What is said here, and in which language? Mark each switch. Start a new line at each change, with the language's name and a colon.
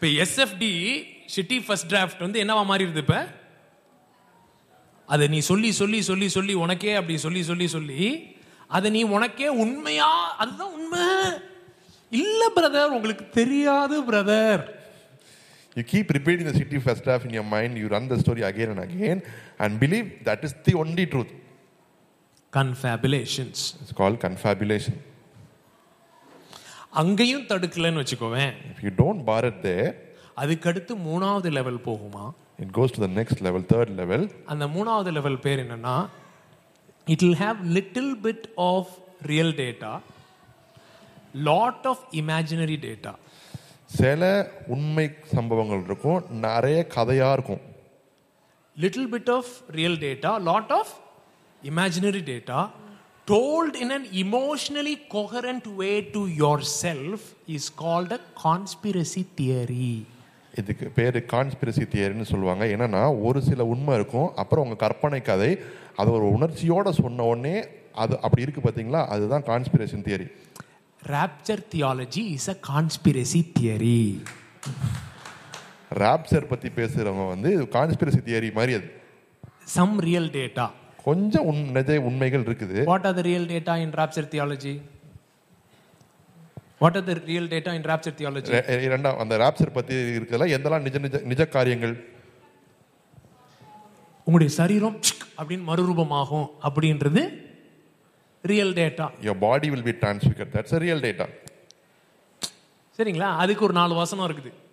Tamil: SFD shitty first draft வந்து என்னவா மாறிடுது இப்ப? அதை நீ சொல்லி சொல்லி சொல்லி சொல்லி உனக்கே அப்படி சொல்லி சொல்லி சொல்லி அதை நீ உனக்கே உண்மையா, அதுதான் உண்மை, இல்ல பிரதர் உங்களுக்கு தெரியாது brother.
English: You keep repeating the city first half in your mind, you run the story again and again and believe that is the only truth. Confabulations. It's called confabulation.
Tamil: அங்கேயும் தடுக்கலன்னு வச்சுக்கோவேன்.
English: If you don't bar it there,
Tamil: அதுக்கடுத்து மூணாவது level போகுமா?
English: It goes to the next level, third level.
Tamil: அந்த மூணாவது level பேர் என்னன்னா,
English: it will have little bit of real data, lot of imaginary data.
Tamil: சில உண்மை சம்பவங்கள் இருக்கும், நிறைய கதையா இருக்கும்.
English: Little bit of real data, lot of imaginary data, told in an emotionally coherent way to yourself is called a conspiracy theory.
Tamil: இதுக்கு பேரு conspiracy தியரின்னு சொல்லுவாங்க. என்னன்னா, ஒரு சில உண்மை இருக்கும், அப்புறம் உங்க கற்பனை கதை, அது ஒரு உணர்ச்சியோட சொன்ன உடனே அது அப்படி இருக்கு பாத்தீங்களா, அதுதான் conspiracy theory.
English: Rapture theology is a conspiracy theory.
Tamil: Rapture பத்தி பேசுறவங்க வந்து கான்ஸ்பிரசி தியரி மாதிரி. அது
English: some real data,
Tamil: கொஞ்சம் உண்மை உண்மைகள் இருக்குது.
English: What are the real data in rapture theology? What are the real data in rapture theology?
Tamil: இரண்டாம் அந்த rapture பத்தி இருக்கல, எதெல்லாம் நிஜ காரியங்கள், உங்களுடைய சரீரம் அப்படின் மறுரூபமாகும் அப்படின்றது real data.
English: Your body will be transfigured, that's a real data.
Tamil: சரிங்களா? அதுக்கு ஒரு நாலு வசனம் இருக்குது.